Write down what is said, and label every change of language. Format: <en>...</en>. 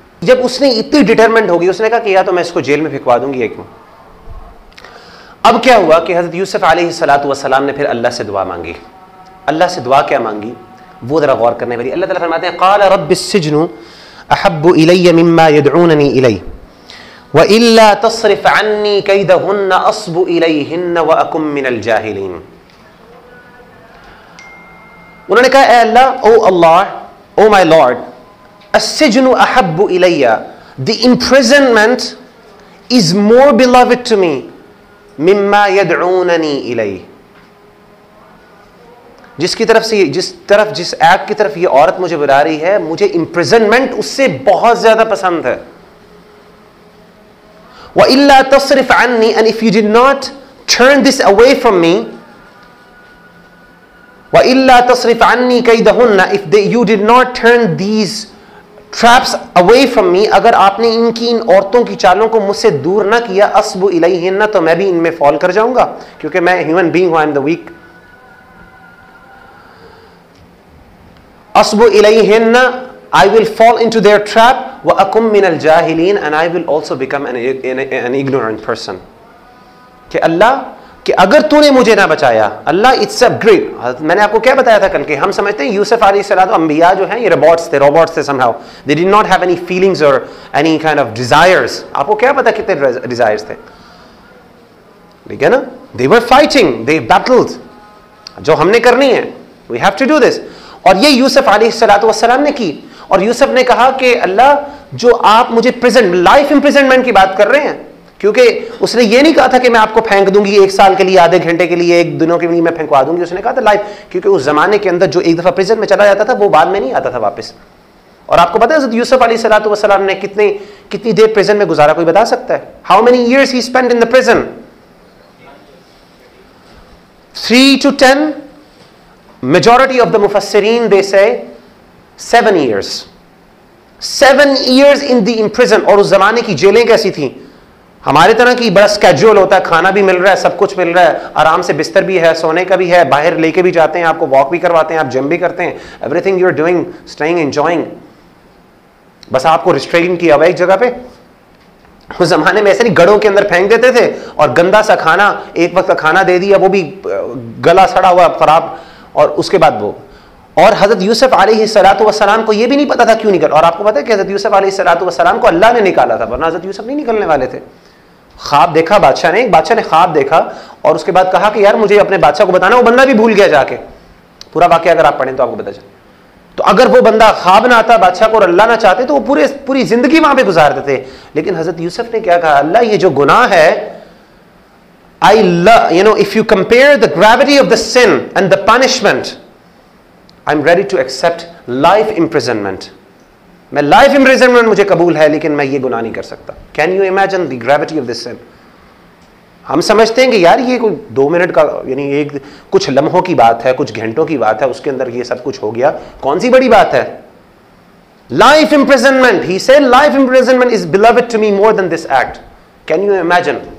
<ur>جب اس نے اتنی ڈٹرمنڈ ہو گئی, اس نے کہا کہ یا تو میں اس کو جیل میں پھینکوا دوں گی. اب کیا ہوا کہ حضرت یوسف علیہ الصلوۃ والسلام نے پھر اللہ سے دعا مانگی. اللہ سے دعا کیا مانگی, وہ ذرا غور کرنے والی. اللہ تعالیٰ فرماتے ہیں</ur> <ar>قال رب السجن احب الی مما یدعوننی الی, وإلا تصرف عني كيدهن أصب إليهن وأكن من الجاهلين.</ar> <ur>انہوں نے کہا اے اللہ,</ur> <en>O اللہ, O my Lord,</en> <ar>السجن احب الی,</ar> <en>the imprisonment is more beloved to me</en> <ar>مما یدعوننی الی.</ar> <ur>جس کی طرف سے, جس ایکٹ کی طرف یہ عورت مجھے بلا رہی ہے, مجھے امپریزنمنٹ اس سے بہت زیادہ پسند ہے.</ur> <ar>وَإِلَّا تَصْرِفْ عَنِّي,</ar> <en>and if you did not turn this away from me,</en> <ar>وَإِلَّا تَصْرِفْ عَنِّي كَيْدَهُنَّ,</ar> <en>if they, you did not turn these traps away from me,</en> <ur>اگر آپ نے ان کی, ان عورتوں کی چالوں کو مجھ سے دور نہ کیا,</ur> <ar>أَصْبُ إِلَيْهِنَّ,</ar> <ur>تو میں بھی ان میں فال کر جاؤں گا, کیونکہ میں human being ہوں,</ur> <en>I'm the weak.</en> <ar>أَصْبُ إِلَيْهِنَّ,</ar> <en>I will fall into their trap,</en> <ar>وَأَكُمْ مِنَ الْجَاهِلِينَ,</ar> <en>and I will also become an ignorant person.</en> <ur>کہ اللہ, کہ اگر تُو نے مجھے نہ بچایا, اللہ,</ur> <en>it's a great,</en> <ur>میں نے آپ کو کیا بتایا تھا کل, کہ ہم سمجھتے ہیں یوسف علیہ السلام تو انبیاء جو ہیں, یہ robots تھے, somehow.</ur> <en>They did not have any feelings or any kind of desires.</en> <ur>آپ کو کیا بتا کتنے desires تھے؟ لیکن نا,</ur> <en>they were fighting, they battled.</en> <ur>جو ہم نے کرنی ہے,</ur> <en>we have to do this.</en> <ur>اور یہ یوسف علیہ الصلوۃ والسلام نے کی, اور یوسف نے کہا کہ اللہ, جو آپ مجھے پریزنٹ لائف امپریزنمنٹ کی بات کر رہے ہیں, کیونکہ اس نے یہ نہیں کہا تھا کہ میں آپ کو پھینک دوں گی ایک سال کے لیے, آدھے گھنٹے کے لیے, ایک دنوں کے لیے میں پھینکوا دوں گی, اس نے کہا تھا لائف, کیونکہ اس زمانے کے اندر جو ایک دفعہ پریزنٹ میں چلا جاتا تھا وہ بعد میں نہیں آتا تھا واپس. اور آپ کو پتا ہے حضرت یوسف علیہ الصلوۃ والسلام نے کتنی دیر پریزنٹ میں گزارا, کوئی بتا سکتا ہے؟</ur> <en>How many years he spend in the present? 3 to 10. Majority of the Mufassireen, they say 7 years. 7 years in the imprisonment.</en> <ur>اور اس زمانے کی جیلیں کیسی تھیں؟ ہمارے طرح کی بڑا اسکیڈول ہوتا ہے, کھانا بھی مل رہا ہے, سب کچھ مل رہا ہے, آرام سے بستر بھی ہے, سونے کا بھی ہے, باہر لے کے بھی جاتے ہیں, آپ کو واک بھی کرواتے ہیں, آپ جم بھی کرتے ہیں,</ur> <en>everything you are doing, staying, enjoying,</en> <ur>بس آپ کو ریسٹرین کیا ہوا ایک جگہ پہ. اس زمانے میں ایسے نہیں, گڑھوں کے اندر پھینک دیتے تھے اور گندا سا کھانا, ایک وقت کا کھانا دے دیا, وہ بھی گلا سڑا ہوا خراب, اور اس کے بعد وہ. اور حضرت یوسف علیہ الصلوۃ والسلام کو یہ بھی نہیں پتا تھا کیوں نکل, اور آپ کو پتا ہے کہ حضرت یوسف علیہ الصلوۃ والسلام کو اللہ نے نکالا تھا, ورنہ حضرت یوسف نہیں نکلنے والے تھے. خواب دیکھا بادشاہ نے, ایک بادشاہ نے خواب دیکھا اور اس کے بعد کہا کہ یار مجھے اپنے بادشاہ کو بتانا, وہ بندہ بھی بھول گیا جا کے. پورا واقعہ اگر آپ پڑھیں تو آپ کو پتا چلے. تو اگر وہ بندہ خواب نہ آتا بادشاہ کو اور اللہ نہ چاہتے تو وہ پوری زندگی وہاں پہ گزار دیتے. لیکن حضرت یوسف نے کیا کہا, اللہ یہ جو گناہ ہے,</ur> <en>I love, you know, if you compare the gravity of the sin and the punishment, I'm ready to accept life imprisonment.</en> <ur>میں life imprisonment مجھے قبول ہے, لیکن میں یہ گناہ نہیں کر سکتا.</ur> <en>Can you imagine the gravity of this sin?</en> <ur>ہم سمجھتے ہیں کہ یار یہ کوئی دو منٹ کا, یعنی ایک کچھ لمحوں کی بات ہے, کچھ گھنٹوں کی بات ہے, اس کے اندر یہ سب کچھ ہو گیا, کون سی بڑی بات ہے؟ Life imprisonment.</ur> <en>He said life imprisonment is beloved to me more than this act. Can you imagine?</en>